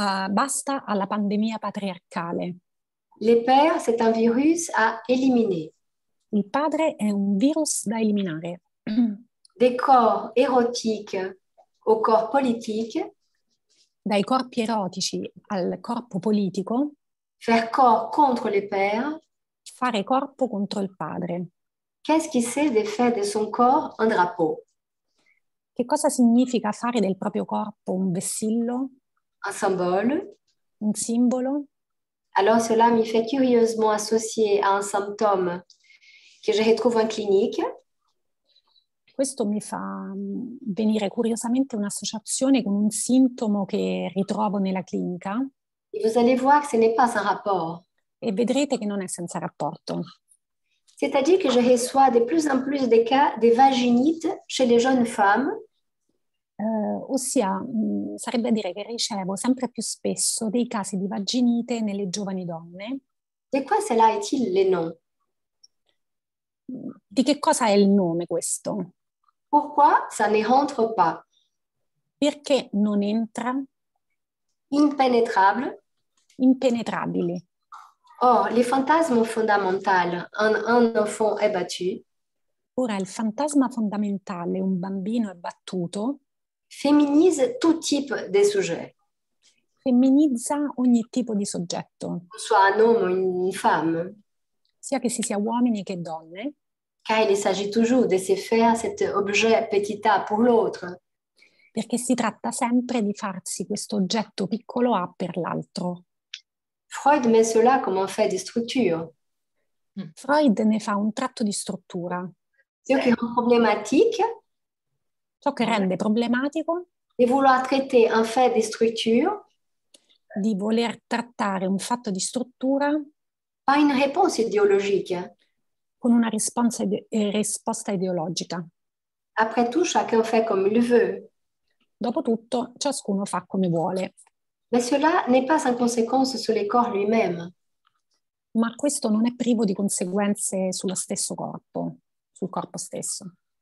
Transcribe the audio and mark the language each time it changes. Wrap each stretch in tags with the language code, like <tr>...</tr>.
<it>Basta alla pandemia patriarcale.</it> <fr>Les pères, c'est un virus à éliminer.</fr> <it>Il padre è un virus da eliminare.</it> <fr>Des corps érotiques au corps politique.</fr> <it>Dai corpi erotici al corpo politico.</it> <fr>Faire corps contre le père.</fr> <it>Fare corpo contro il padre.</it> <fr>Qu'est-ce qui c'est de faire de son corps un drapeau?</fr> <it>Che cosa significa fare del proprio corpo un vessillo?</it> <fr>Un symbole.</fr> <it>Un simbolo.</it> <fr>Alors cela</fr> <it>mi</it> <fr>fait curieusement associer à un symptôme que je retrouve en clinique.</fr> <it>Questo mi fa venire curiosamente un'associazione con un sintomo che ritrovo nella clinica.</it> <fr>Et vous allez voir que ce n'est pas un rapport.</fr> <it>E vedrete che non è senza rapporto.</it> <fr>C'est-à-dire que je reçois de plus en plus des cas de vaginite chez les jeunes femmes.</fr> <it>Ossia, sarebbe a dire che ricevo sempre più spesso dei casi di vaginite nelle giovani donne.</it> <fr>De quoi cela est-il le nom?</fr> <it>Di che cosa è il nome questo?</it> <fr>Pourquoi ça ne rentre pas?</fr> <it>Perché non entra?</it> <fr>Impenetrable.</fr> <it>Impenetrabile.</it> <fr>Or, le fantasme fondamental, un enfant est battu.</fr> <it>Ora, il fantasma fondamentale, un bambino è battuto.</it> <fr>Féminise tout type de sujet.</fr> <it>Femminizza ogni tipo di soggetto.</it> <fr>Soit un homme ou une femme.</fr> <it>Sia che si sia uomini che donne.</it> <fr>Car il s'agit toujours de se faire cet objet petit a pour l'autre.</fr> <it>Perché si tratta sempre di farsi questo oggetto piccolo a per l'altro.</it> <fr>Freud met cela comme un fait de structure.</fr> <it>Freud ne fa un tratto di struttura. Ciò che è problematique. Ciò che rende problematico.</it> <fr>De vouloir traiter un fait de structure.</fr> <it>Di voler trattare un fatto di struttura.</it> <fr>Pas une réponse idéologique.</fr> <it>Con una risposta ideologica.</it> <fr>Après tout, chacun fait comme il veut.</fr> <it>Dopotutto, ciascuno fa come vuole.</it> <fr>Mais cela n'est pas sans conséquence sur le corps lui-même.</fr> <it>Ma questo non è privo di conseguenze sullo stesso corpo, sul corpo stesso.</it>